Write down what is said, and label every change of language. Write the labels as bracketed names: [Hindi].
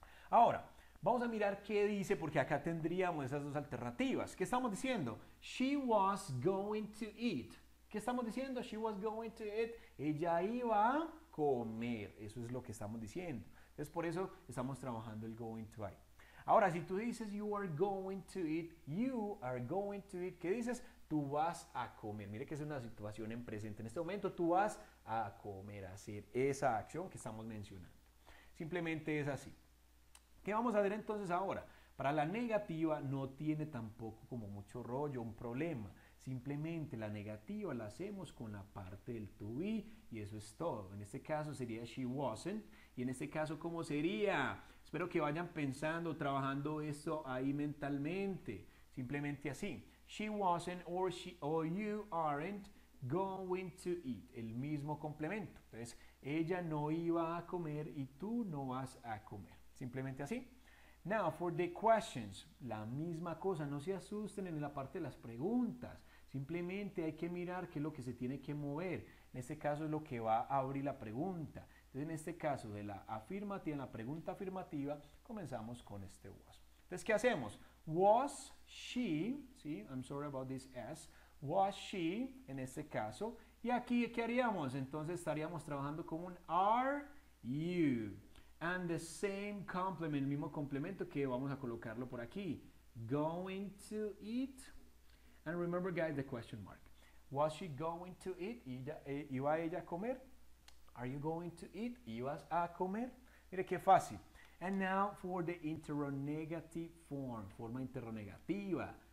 [Spanish] Ahora, vamos a mirar qué dice porque acá tendríamos esas dos alternativas. ¿Qué estamos diciendo? [English] She was going to eat. [Spanish] ¿Qué estamos diciendo? [English] She was going to eat. [Spanish] Ella iba a comer. Eso es lo que estamos diciendo. Es por eso estamos trabajando el going to eat. Ahora, si tú dices [English] you are going to eat, you are going to eat. [Spanish] ¿Qué dices? Tú vas a comer. Mire que es una situación en presente. En este momento tú vas a comer, a hacer esa acción que estamos mencionando. Simplemente es así. ¿Qué vamos a ver entonces ahora? Para la negativa no tiene tampoco como mucho rollo, un problema. Simplemente la negativa la hacemos con la parte del to be y eso es todo. En este caso sería [English] she wasn't. [Spanish] Y en este caso, ¿cómo sería? Espero que vayan pensando, trabajando esto ahí mentalmente. Simplemente así. [English] She wasn't or she or you aren't going to eat. [Spanish] El mismo complemento. Entonces, ella no iba a comer y tú no vas a comer. Simplemente así. [English] Now, for the questions, [Spanish] la misma cosa. No se asusten en la parte de las preguntas. Simplemente hay que mirar qué es lo que se tiene que mover. En este caso es lo que va a abrir la pregunta. Entonces, en este caso, de la afirmativa, en la pregunta afirmativa, comenzamos con este was. Entonces, ¿qué hacemos? [English] Was she, [Spanish] ¿sí? [English] I'm sorry about this S, was she, en este caso. [Spanish] Y aquí, ¿qué haríamos? Entonces, estaríamos trabajando con un are you. [English] And the same complement, [Spanish] el mismo complemento que vamos a colocarlo por aquí. [English] Going to eat. And remember, guys, the question mark. Was she going to eat? [Spanish] ¿Iba ella a comer? [English] Are you going to eat? [Spanish] ¿Ibas a comer? Mire qué fácil. [English] And now for the interrogative form. [Spanish] Forma interrogativa.